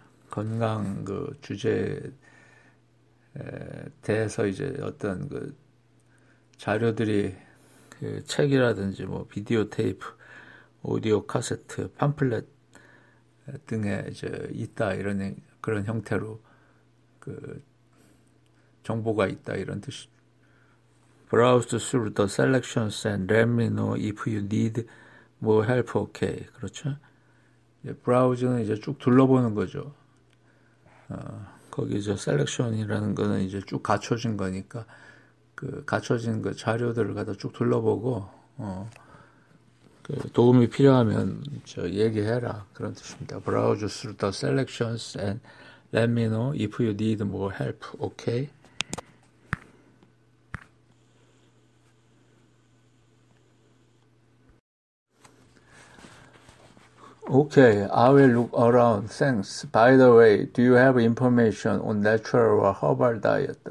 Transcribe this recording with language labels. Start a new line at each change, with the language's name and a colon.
Korean: 건강 주제에 대해서 어떤 자료들이 책이라든지 비디오 테이프, 오디오 카세트, 팜플렛 등에 있다 이런 그런 형태로 정보가 있다 이런 뜻이.
English: Browse through the selections and let me know if you need more help.
Korean: Okay. 그렇죠? 브라우즈는 쭉 둘러보는 거죠. 거기 셀렉션이라는 거는 쭉 갖춰진 거니까 갖춰진 자료들을 갖다 쭉 둘러보고 도움이 필요하면 얘기해라. 그런 뜻입니다.
English: Browse through the selections and let me know if you need more help. Okay? 오케이, okay, I will look around. Thanks. By the way, do you have information on natural or herbal diet?